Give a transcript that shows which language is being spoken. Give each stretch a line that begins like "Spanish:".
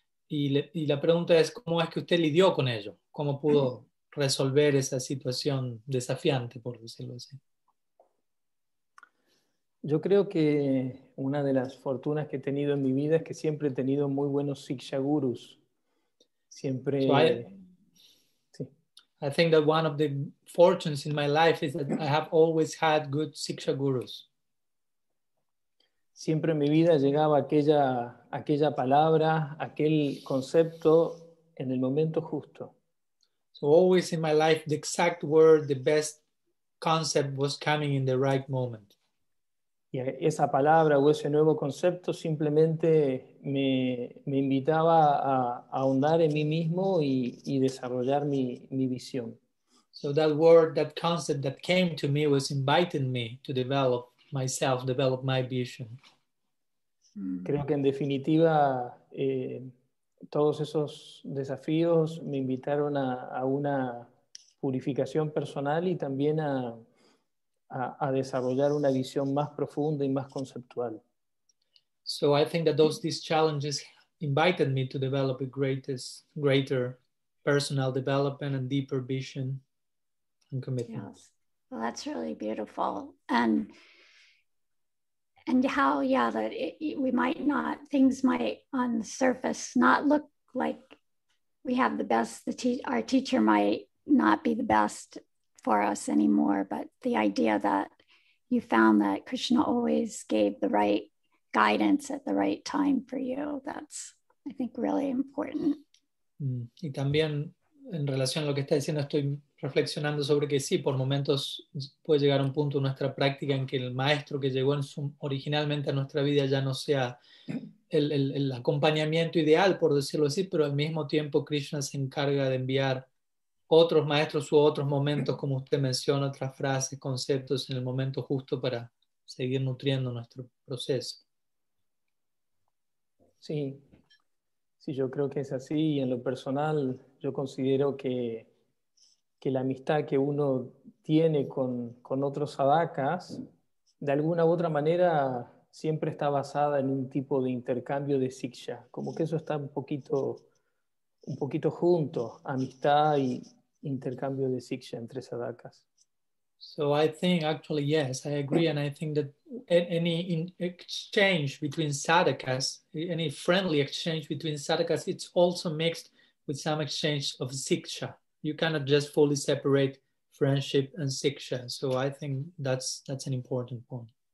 Spanish: Y la pregunta es, ¿cómo es que usted lidió con ello? ¿Cómo pudo resolver esa situación desafiante, por decirlo así? Yo creo que una de las fortunas que he tenido en mi vida es que siempre he tenido muy buenos siksha gurus. Siempre.
English: I think that one of the fortunes in my life is that I have always had good siksha gurus.
Spanish: Siempre en mi vida llegaba aquella palabra, aquel concepto en el momento justo.
English: So always in my life, the exact word, the best concept was coming in the right moment.
Spanish: Y esa palabra o ese nuevo concepto simplemente me invitaba a ahondar en mí mismo y desarrollar mi visión.
English: So that word, that concept that came to me was inviting me to develop myself, develop my vision.
Spanish: Creo que en definitiva todos esos desafíos me invitaron a una purificación personal y también a desarrollar una visión más profunda y más conceptual.
English: So I think that these challenges invited me to develop a greater personal development and deeper vision and commitment. Yes. Well, that's really beautiful. And how, yeah, that we might not, things might on the surface not look like we have the best, our teacher might not be the best for us anymore, but the idea that you found that Krishna always gave the right guidance at the right time for you, that's, I think, really important.
Spanish: Y también en relación a lo que está diciendo, estoy reflexionando sobre que sí, por momentos puede llegar a un punto en nuestra práctica en que el maestro que llegó originalmente a nuestra vida ya no sea el acompañamiento ideal, por decirlo así, pero al mismo tiempo Krishna se encarga de enviar otros maestros u otros momentos, como usted menciona, otras frases, conceptos en el momento justo para seguir nutriendo nuestro proceso. Sí. Sí, yo creo que es así. Y en lo personal, yo considero que la amistad que uno tiene con otros sadhakas, de alguna u otra manera, siempre está basada en un tipo de intercambio de siksha. Como que eso está un poquito junto, amistad y intercambio de siksha entre sadhakas.
English: So I think, actually, yes, I agree. And I think that any exchange between sadhakas, any friendly exchange between sadhakas, it's also mixed with some exchange of siksha. You cannot just fully separate friendship and siksha. So I think that's an important point.